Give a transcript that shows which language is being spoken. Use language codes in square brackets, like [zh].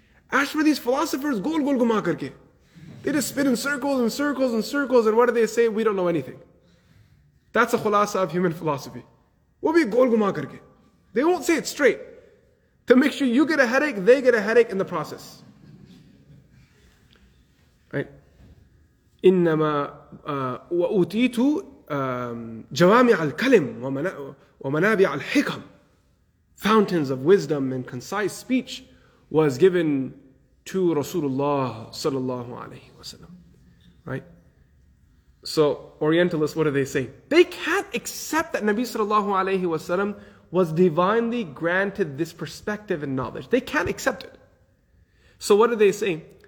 [en] As for these philosophers, [ur] gol gol guma karke. [en] They just spin in circles and circles and circles, and what do they say? We don't know anything. That's a khulasa of human philosophy. We'll be [ur] gol guma karke. [en] They won't say it straight. To make sure you get a headache, they get a headache in the process. Right? [ar] إنما وأوتيت جوامع الكلم ومنابع الحكم. [en] Fountains of wisdom and concise speech was given to Rasulullah sallallahu alayhi wasallam. Right? So Orientalists, what do they say? They can't accept that Nabi sallallahu alayhi wasallam was divinely granted this perspective and knowledge. They can't accept it. So what do they say?